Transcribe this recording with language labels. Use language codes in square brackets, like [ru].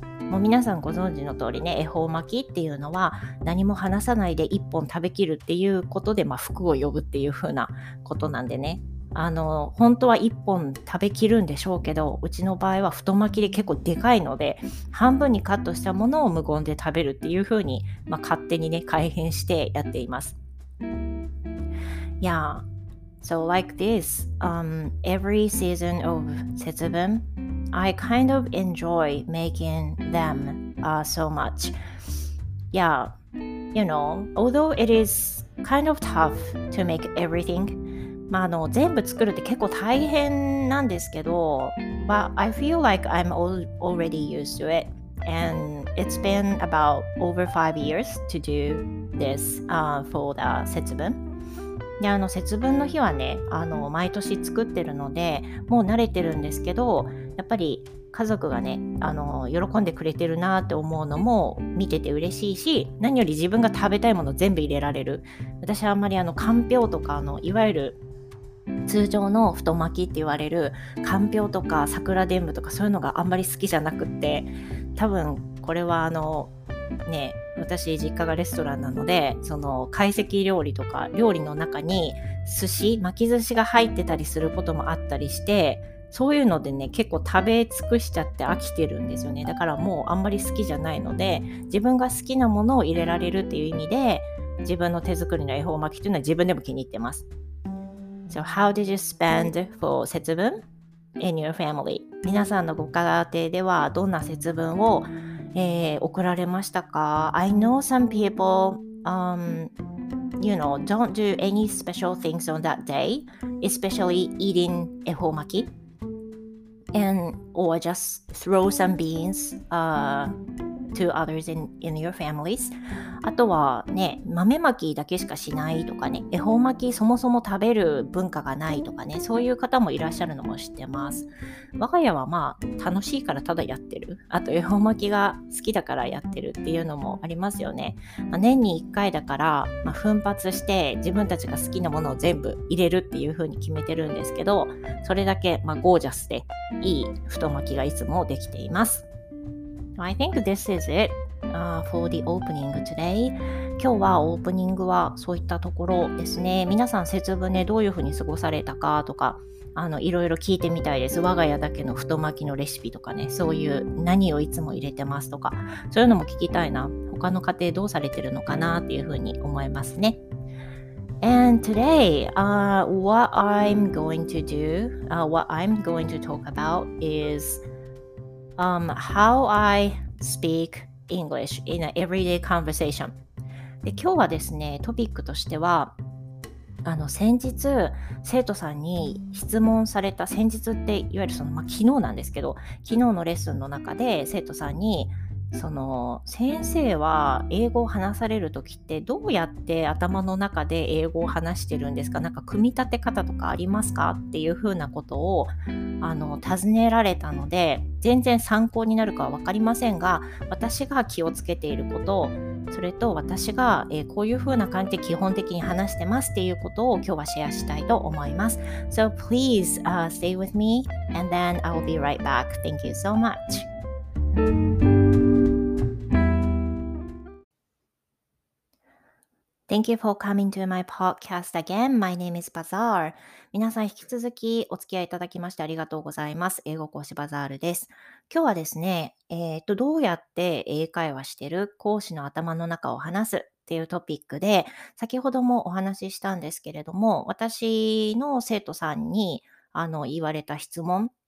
[ja] もう皆さんご存知の通りね、恵方巻きっていうのは何も話さないで一本食べきるっていうことで、まあ、福を呼ぶっていう風なことなんでね。本当は1本食べきるんでしょうけどうちの場合は太巻きで結構でかいので半分にカットしたものを無言で食べるっていう風に、まあ、勝手にね改変してやっています [en] Yeah, so like this, every season of 節分 I kind of enjoy making them so much Yeah, you know, although it is kind of tough to make everything [ja] まあ、全部作るって結構大変なんですけど [en] But I feel like I'm already used to it And it's been about over 5 years to do this for the 節分 [ja] で節分の日はね毎年作ってるのでもう慣れてるんですけどやっぱり家族がね喜んでくれてるなって思うのも見てて嬉しいし何より自分が食べたいもの全部入れられる私はあんまりかんぴょうとかいわゆる通常の太巻きって言われるかんぴょうとか桜でんぶとかそういうのがあんまり好きじゃなくって多分これはね私実家がレストランなので、その懐石料理とか料理の中に寿司、巻き寿司が入ってたりすることもあったりして、そういうのでね結構食べ尽くしちゃって飽きてるんですよね。だからもうあんまり好きじゃないので、自分が好きなものを入れられるっていう意味で自分の手作りの恵方巻きというのは自分でも気に入ってます。 [en] So how did you spend for 節分 in your family? [ja] 皆さんのご家庭ではどんな節分を送られましたか? [en] I know some people, you know, don't do any special things on that day, especially eating ehomaki, and or just throw some beans, to others in your families. [ja] あとはね、豆まきだけしかしないとかね、ehomaki そもそも食べる文化がないとかね、そういう方もいらっしゃるのも知ってます。我が家はまあ楽しいからただやってる、あと恵方巻きが好きだからやってるっていうのもありますよね、まあ、年に1回だから、まあ、奮発して自分たちが好きなものを全部入れるっていう風に決めてるんですけど、それだけまあゴージャスでいい太巻きがいつもできています。 [en] I think this is it、for the opening today。 [ja] 今日はオープニングはそういったところですね。皆さん節分ね、どういう風に過ごされたかとか、あのいろいろ聞いてみたいです。我が家だけの太巻きのレシピとかね、そういう何をいつも入れてますとか、そういうのも聞きたいな。他の家庭どうされてるのかなっていうふうに思いますね。 [en] And today、what I'm going to talk about is、how I speak English in an everyday conversation。 [ja] で今日はですね、トピックとしては、あの先日生徒さんに質問された、先日っていわゆるその、まあ、昨日なんですけど、昨日のレッスンの中で生徒さんに、その先生は英語を話されるときってどうやって頭の中で英語を話してるんですか、なんか組み立て方とかありますかっていうふうなことをあの尋ねられたので、全然参考になるかは分かりませんが、私が気をつけていること、それと私が、こういうふうな感じで基本的に話してますっていうことを今日はシェアしたいと思います。 [en] So please、stay with me and then I'll be right back. Thank you so much. Thank you for coming to my podcast again. My name is Bazaar. [ja] 皆さん引き続きお付き合いいただきましてありがとうございます。英語講師バザールです。今日はですね、どうやって英会話してる、講師の頭の中を話すっていうトピックで、先ほどもお話ししたんですけれども、私の生徒さんにあの言われた質問